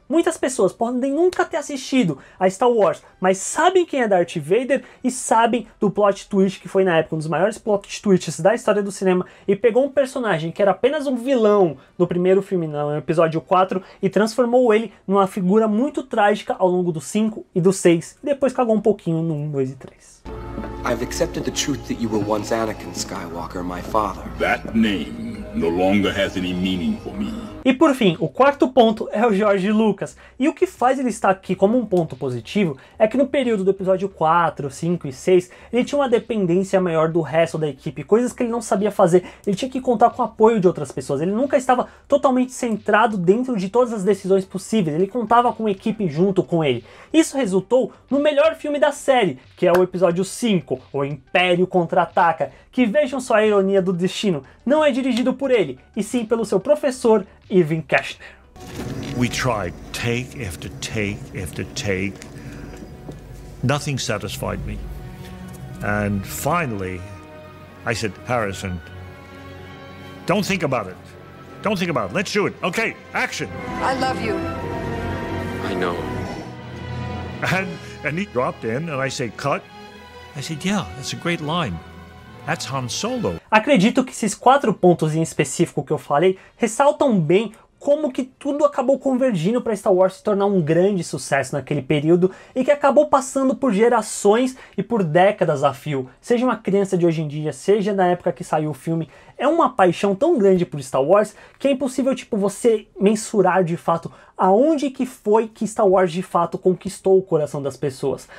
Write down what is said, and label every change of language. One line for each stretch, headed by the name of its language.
Portuguese: Muitas pessoas podem nunca ter assistido a Star Wars, mas sabem quem é Darth Vader e sabem do plot twist, que foi na época um dos maiores plot twists da história do cinema, e pegou um personagem que era apenas um vilão no primeiro filme, no episódio 4, e transformou ele numa figura muito trágica ao longo do 5 e do 6, e depois cagou um pouquinho no 1, 2 e 3.
English: I've accepted the truth that you were once Anakin Skywalker, my father. That name no longer has any meaning for me.
Portuguese: E por fim, o quarto ponto é o George Lucas. E o que faz ele estar aqui como um ponto positivo é que no período do episódio 4, 5 e 6, ele tinha uma dependência maior do resto da equipe, coisas que ele não sabia fazer. Ele tinha que contar com o apoio de outras pessoas. Ele nunca estava totalmente centrado dentro de todas as decisões possíveis. Ele contava com a equipe junto com ele. Isso resultou no melhor filme da série, que é o episódio 5, O Império Contra-Ataca, que vejam só a ironia do destino. Não é dirigido por ele, e sim pelo seu professor, Irving Kestner.
English: We tried take after take after take. Nothing satisfied me. And finally, I said, Harrison, don't think about it. Don't think about it. Let's do it. Okay, action. I love you. I know. And he dropped in, and I say, cut. I said, yeah, that's a great line. That's Han Solo.
Portuguese: Acredito que esses quatro pontos em específico que eu falei ressaltam bem como que tudo acabou convergindo para Star Wars se tornar um grande sucesso naquele período e que acabou passando por gerações e por décadas a fio. Seja uma criança de hoje em dia, seja na época que saiu o filme, é uma paixão tão grande por Star Wars que é impossível, tipo, você mensurar de fato aonde que foi que Star Wars de fato conquistou o coração das pessoas.